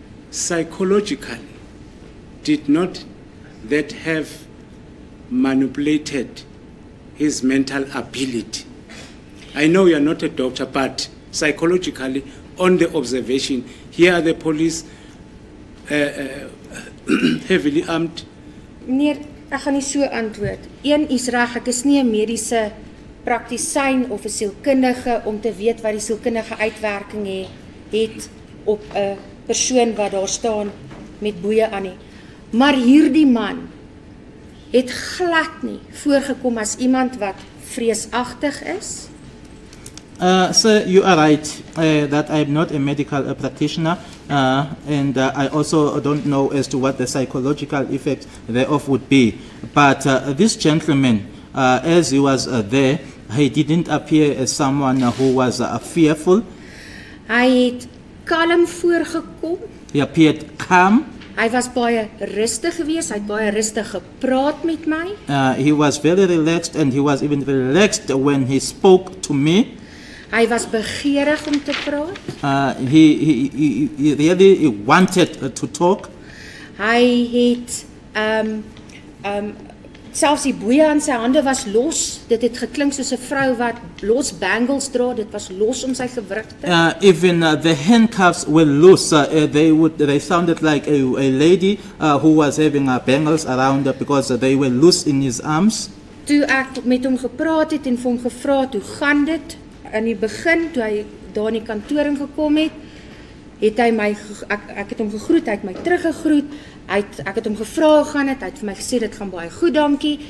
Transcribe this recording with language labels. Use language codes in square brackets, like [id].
[en] Psychologically, did not that have manipulated his mental ability? I know you are not a doctor, but psychologically, on the observation, here are the police heavily armed. [af] Meneer, ek gaan nie so antwoord. Een is reg, ek is nie 'n mediese praktisyn of 'n sielkundige om te weet wat die sielkundige uitwerking het op 'n persoon wat daar staan met boeie aan nie. Maar hierdie man het glad nie voorgekom as iemand wat vreesagtig is. [en] Sir, you are right that I am not a medical practitioner, and I also don't know as to what the psychological effect thereof would be. But this gentleman, as he was there, he didn't appear as someone who was fearful. [af] Hy het kalm voorgekom. [en] He appeared calm. [af] Hy was baie rustig geweest. Hy het baie rustig gepraat met my. [en] He was very relaxed, and he was even relaxed when he spoke to me. [af] Hy was begeerig om te praat. [en] He really wanted to talk. [af] Hy het selfs die boeie aan sy hande was los. Dit het geklink soos 'n vrou wat los bangles dra. Dit was los om sy gewrigte. [en] Even the handcuffs were loose. They sounded like a lady who was having her bangles around because they were loose in his arms. [af] Toe ek met hom gepraat het en vir hom gevra het, hoe gaan dit? In die begin toe hy daar in die kantoor ingekom het, het hy my ek het hom gegroet, hy het my teruggegroet. Ek het hom gevra hoe gaan dit? Hy het vir my gesê dit gaan baie goed, dankie.